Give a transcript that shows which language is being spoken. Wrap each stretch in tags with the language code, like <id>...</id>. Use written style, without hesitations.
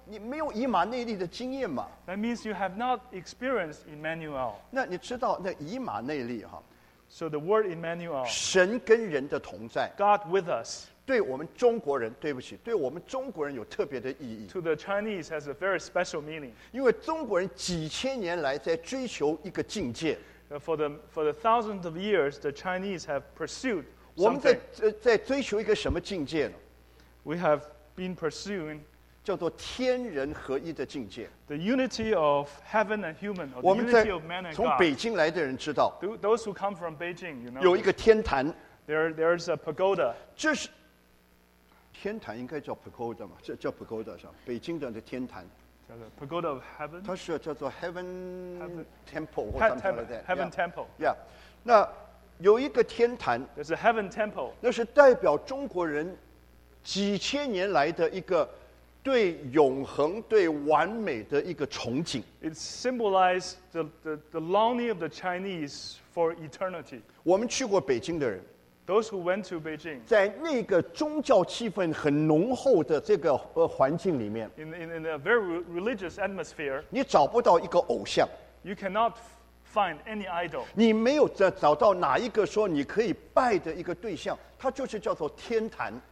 <zh>那神与你同在，就是说你没有以马内利的经验吗?</zh> <en>That means you have not experienced Emmanuel.</en> <zh>那你知道那以马内利哈？</zh> <en>So the word Emmanuel,</en> <zh>神跟人的同在,</zh> <en>God with us,</en> <zh>对我们中国人, 对不起, 对我们中国人有特别的意义,</zh> <en>to the Chinese has a very special meaning.</en> <zh>因为中国人几千年来在追求一个境界,</zh> <en>for the thousands of years, the Chinese have pursued something.</en> <zh>我们在追求一个什么境界呢?</zh> <en>We have been pursuing</en> <zh>叫做天人合一的境界。</zh> <en>The unity of heaven and human, or the unity of man and God.</en> <zh>从北京来的人知道,</zh> <en>those who come from Beijing, you know,</en> <zh>有一个天坛,</zh> <en>there's a pagoda.</en> <zh>这是, 天坛应该叫pagoda嘛, 这叫pagoda是吧?北京的天坛,</zh> <en>pagoda of heaven?</en> <zh>它是叫做</zh> <en>heaven temple, heaven temple.</en> <zh>Yeah. 那有一个天坛,</zh> <en>there's a heaven temple.</en> <zh>那是代表中国人几千年来的一个 对永恒、对完美的一个憧憬。</zh> <en>It symbolizes the longing of the Chinese for eternity.</en> <zh>我们去过北京的人,</zh> <en>those who went to Beijing,</en> <zh>在那个宗教气氛很浓厚的这个环境里面,</zh> <en>in a very religious atmosphere,</en> <zh>你找不到一个偶像。</zh> <en>You cannot find any idol.</en> <zh>你没有找到哪一个说你可以拜的一个对象, 它就是叫做天坛。</zh>